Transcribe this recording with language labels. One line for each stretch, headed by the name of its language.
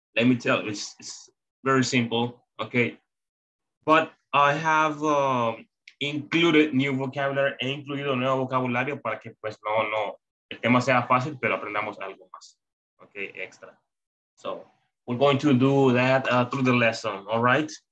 English: Let me tell you, it's very simple, okay? But I have... included new vocabulary,
Spanish: he incluido nuevo vocabulario para que pues no el tema sea fácil, pero aprendamos algo más, okay, extra.
English: So we're going to do that through the lesson, all right?